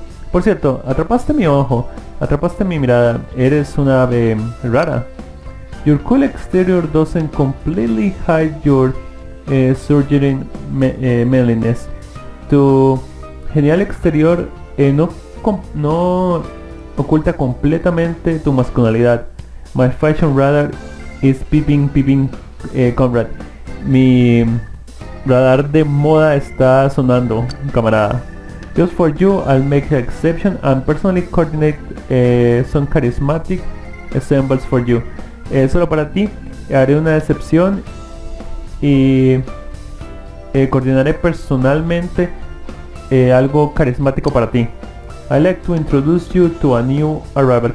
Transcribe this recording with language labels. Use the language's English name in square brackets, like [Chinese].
[Spanish] Por cierto, atrapaste mi ojo, atrapaste mi mirada. Eres una ave rara. [English] Your cool exterior doesn't completely hide your surging manliness. [Spanish] Tu genial exterior no oculta completamente tu masculinidad. [English] My fashion radar is beeping, beeping, comrade. [Spanish] Mi radar de moda está sonando, camarada. [English] Just for you, I'll make an exception and personally coordinate some charismatic ensembles for you. [Spanish] Solo para ti, haré una excepción y coordinaré personalmente algo carismático para ti. [English] I'd like to introduce you to a new arrival.